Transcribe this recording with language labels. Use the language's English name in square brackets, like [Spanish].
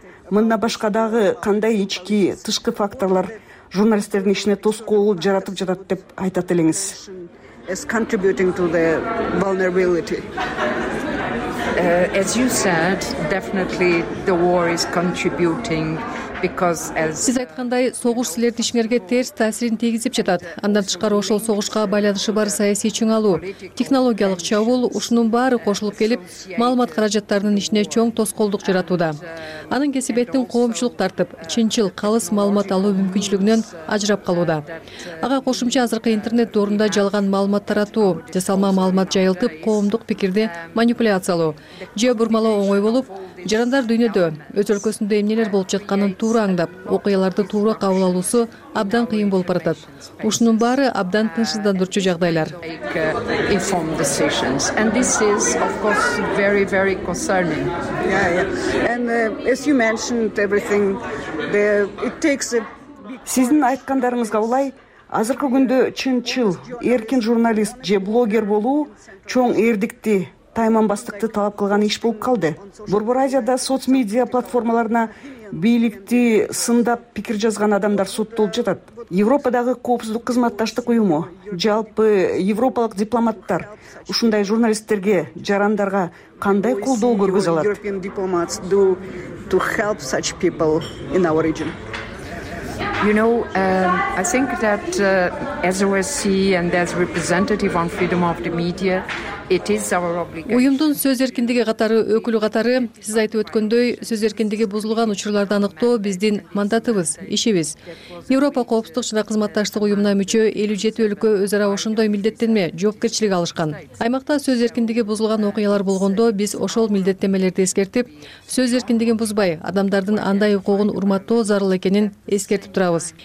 [Kyrgyz] Мындан башка дагы кандай ички, тышкы факторлор журналисттердин ишине тоскоол жаратып жатат деп айтат элеңиз? [English] As contributing to the vulnerability. As you said, definitely the war is contributing. [Kyrgyz] Сиз айткандай, согуш силердин ишиңерге терс таасирин тийгизип жатат. Андан тышкары ошол согушка байланышы бар саясий чың алуу, технологиялык чабуул, ушунун баары кошулуп келип, маалымат каражаттарынын ишине чоң тоскоолдук жаратууда. Анын кесибетин коомчулук тартып, чынчыл, калыс маалымат алуу мүмкүнчүлүгүнөн ажырап калууда. Ага кошумча азыркы интернет доорунда жалган маалымат таратуу, жасалма маалымат жайылтып, коомдук пикирди манипуляциялоо же бурмалоо оңой болуп, жарандар дүйнөдө, өз өлкөсүндө эмнелер болуп жатканын туура аңдап, окуяларды туура кабыл алуусу абдан кыйын болуп баратат. Ушунун баары абдан тынчсыздандырчу жагдайлар. [English] And this is of course very very concerning. And as you mentioned everything it takes a [Kyrgyz] Сиздин айткандарыңызга улай, азыркы күндө чынчыл, эркин журналист же блогер болуу чоң эрдикти, тайманбастыкты талап кылган иш болуп калды. Борбор Азияда соц медиа платформаларына бийликти сындап пикир жазган адамдар соттолуп жатат. Европадагы коопсуздук кызматташтык уюму, жалпы европалык дипломаттар ушундай журналисттерге, жарандарга кандай колдоо көргөзө алат? [English] European diplomats do to help such people in our region. You know, I think that as OSC and as representative on freedom of the media, it is our obligation. [Kyrgyz] Уюмдун сөз эркиндиги катары, өкүлү катары, сиз айтып өткөндөй, сөз эркиндиги бузулган учурларды аныктоо биздин мандатыбыз, ишибиз. Европа коопсуздук жана кызматташтык уюмуна мүчө 57 өлкө өз ара ошондой милдеттенме, жоопкерчилик алышкан. Аймакта сөз эркиндиги бузулган окуялар болгондо, биз ошол милдеттенмелерди эскертип, сөз эркиндигин бузбай, адамдардын андай укугун урматтоо зарыл экенин эскертип турабыз.